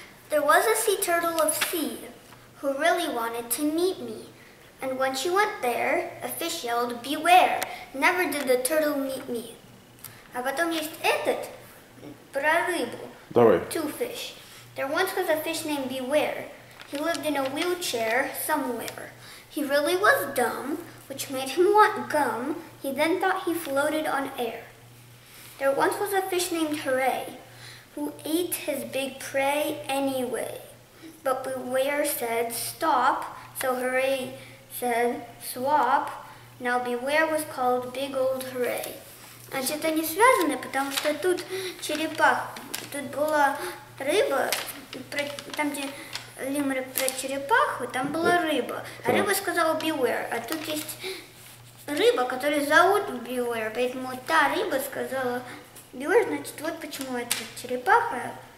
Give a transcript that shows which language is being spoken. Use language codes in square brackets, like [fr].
[en] There was a sea turtle of sea who really wanted to meet me. And when she went there, a fish yelled, beware, never did the turtle meet me. [ru] А потом есть этот, про рыбу. Давай. [en] Two fish. There once was a fish named Beware. He lived in a wheelchair somewhere. He really was dumb, which made him want gum. He then thought he floated on air. There once was a fish named Hooray, who ate his big prey anyway. But Beware said, stop, so Hooray said, swap. Now Beware was called Big Old Hooray. [ru] Значит, они связаны, потому что тут черепах, тут была рыба, там где лимерик про черепаху, там была рыба. А рыба сказала Beware, а тут есть... рыба, которую зовут Beware, поэтому та рыба сказала Beware, значит, вот почему это черепаха.